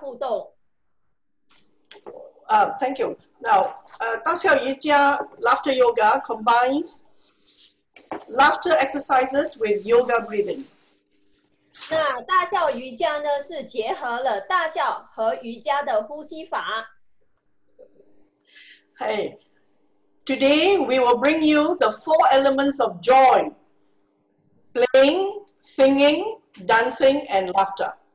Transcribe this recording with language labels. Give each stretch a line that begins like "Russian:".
Chinese: 大家好，我是恩爱，是今天大笑瑜伽的队长。那今天很开心能在这里跟大家互动。
English: Thank you. Now,
Chinese: 大笑瑜伽
English: laughter yoga combines laughter exercises with yoga breathing.
Chinese: 那大笑瑜伽呢，是结合了大笑和瑜伽的呼吸法。
English: Hey, today we will bring you the four elements of joy: playing, singing, dancing, and laughter.